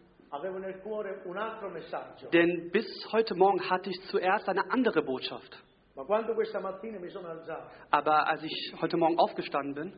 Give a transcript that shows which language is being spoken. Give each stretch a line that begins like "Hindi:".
Italian: Avevo nel cuore un altro messaggio.
German: Denn bis heute Morgen hatte ich zuerst eine andere Botschaft.
Italian: Ma quando questa mattina mi sono alzato,
German: aber als ich heute Morgen aufgestanden bin,